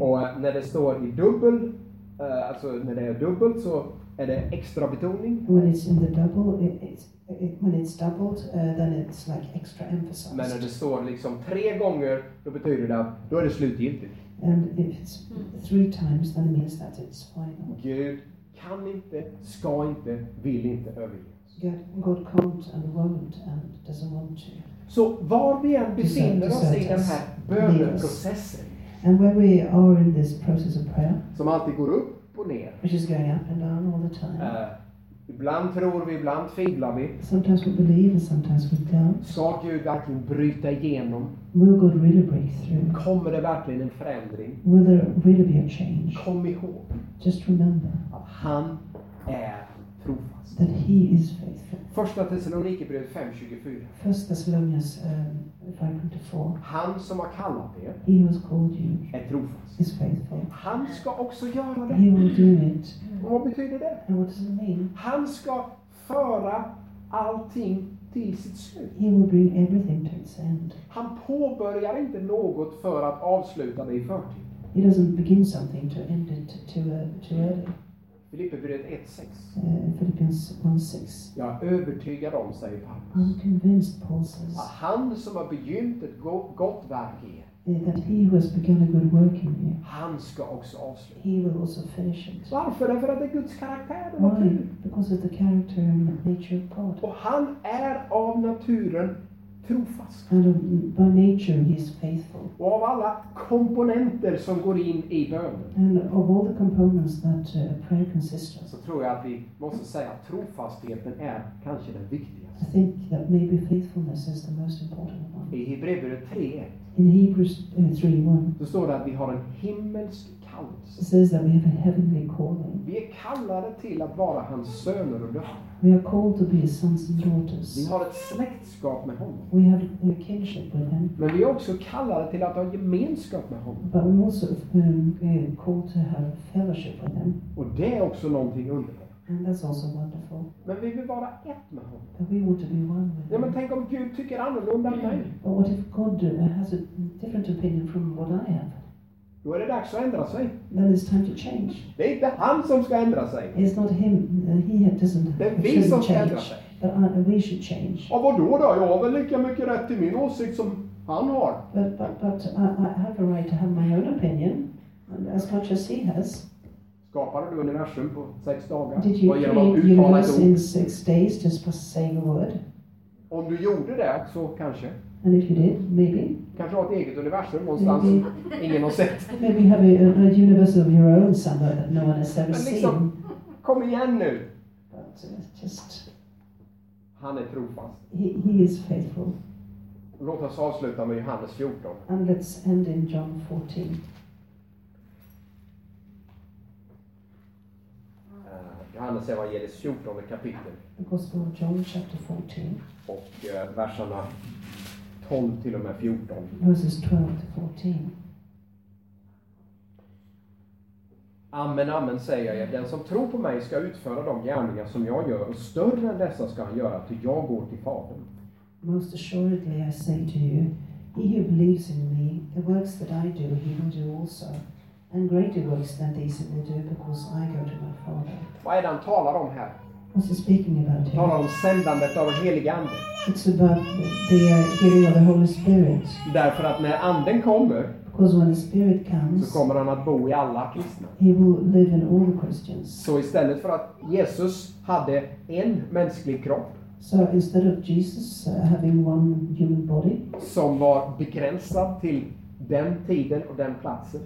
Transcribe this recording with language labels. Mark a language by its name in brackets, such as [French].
[Swedish] Och när det står i dubbel, alltså när det är dubbelt, så är det extra betoning. [English] When it's in the double, when it's doubled, then it's like extra emphasized. [Swedish] Men när det står liksom tre gånger, då betyder det att då är det slutgiltigt. [English] And if it's three times, then it means that it's final. [Swedish] Gud kan inte, ska inte, vill inte överge. [English] God can't and won't and doesn't want to. [Swedish] Så var vi än befinner oss i den här böneprocessen. [English] And where we are in this process of prayer. [Swedish] Som alltid går upp och ner. [English] Which is going up and down all the time. [Swedish] Ibland tror vi, ibland tvivlar vi. [English] Sometimes we believe and sometimes we doubt. [Swedish] Saker Gud verkligen bryta igenom. [English] Will God really break through? [Swedish] Kommer det verkligen en förändring? [English] Will there really be a change? [Swedish] Kom ihåg. [English] Just remember. [Swedish] Att han är trofast. [English] That he is faithful. [Swedish] Första Thessalonikerbrevet 5:24. [English] First Thessalonians 5:24. [Swedish] Han som har kallat er. [English] He has called you. [Swedish] Är trofast. [English] Is faithful. [Swedish] Han ska också göra det. [English] He will do it. [Swedish] Och vad betyder det? [English] And what does it mean? [Swedish] Han ska föra allting till sitt slut. [English] He will bring everything to its end. [Swedish] Han påbörjar inte något för att avsluta det i förtid. [English] He doesn't begin something to end it too early. [Swedish] Filipperbrevet 1:6. [English] Filippians 1:6. [Swedish] Jag är övertygad om, säger Paulus. [English] I'm convinced, Paul says. [Swedish] Att han som har begynt ett gott verk i er. [English] That he who has begun a good work in you. [Swedish] Han ska också avsluta. [English] He will also finish it. [Swedish] Varför? För att det är Guds karaktär. [English] Why? Because of the character and nature of God. [Swedish] Och han är av naturen trofast. [English] And by nature he is faithful. [Swedish] Och av alla komponenter som går in i bön. [English] And of all the components that prayer consists of. [Swedish] Så tror jag att vi måste säga att trofastheten är kanske den viktigaste. [English] I think that maybe faithfulness is the most important one. [Swedish] I Hebreerbrevet 3:1. [English] In Hebrews 3:1. [Swedish] Så står det att vi har en himmelsk kallelse. [English] It says that we have a heavenly calling. [Swedish] Vi är kallade till att vara hans söner och döttrar. [English] We are called to be his sons and daughters. [Swedish] Vi har ett släktskap med honom. [English] We have a kinship with him. [Swedish] Men vi är också kallade till att ha gemenskap med honom. [English] But we're also called to have fellowship with him. [Swedish] Och det är också någonting underbart. [English] And that's also wonderful. [Swedish] Men vi vill vara ett med honom. [English] But we want to be one with him. [Swedish] Ja, men tänk om Gud tycker annorlunda än mig. [English] But what if God has a different opinion from what I have? [Swedish] Då är det dags att ändra sig. [English] Then it's time to change. [Swedish] Det är inte han som ska ändra sig. [English] It's not him. He doesn't. [Swedish] Det är vi som ska ändra sig. [English] But we should change. [Swedish] Och vadå? Jag har väl lika mycket rätt till min åsikt som han har. [English] But I have a right to have my own opinion, and as much as he has. [Swedish] Skapade du universum på 6 dagar? [English] Did you create universe in 6 days just by saying a word? [Swedish] Om du gjorde det, så kanske. [English] And if you did, maybe. [Swedish] Kanske har ett eget universum någonstans som ingen har sett. [English] Maybe you have a universe of your own somewhere that no one has ever [Swedish] liksom, [English] seen. [Swedish] Kom igen nu! [English] But just... [Swedish] Han är trofast. [English] He is faithful. [Swedish] Låt oss avsluta med Johannes 14. [English] And let's end in John 14. [Swedish] Johannes evangeliets 14 kapitel. [English] The Gospel of John chapter 14. [Swedish] Och verserna 12 till och med 14. [English] Verses 12 to 14. [Swedish] Amen, amen, säger jag. Den som tror på mig ska utföra de gärningar som jag gör, och större än dessa ska han göra, till jag går till Fadern. [English] Most assuredly I say to you, he who believes in me, the works that I do, he will do also, and greater works than these he will do, because I go to my Father. [Swedish] Vad är det han talar om här? [English] What's he speaking about here? [Swedish] Han talar om sändandet av den helige Ande. [English] It's about the giving of the Holy Spirit. [Swedish] Därför att när anden kommer, [English] because when the Spirit comes, [Swedish] så kommer han att bo i alla kristna. [English] He will live in all the Christians. [Swedish] Så istället för att Jesus hade en mänsklig kropp, [English] so instead of Jesus having one human body, [Swedish] som var begränsad till den tiden och den platsen,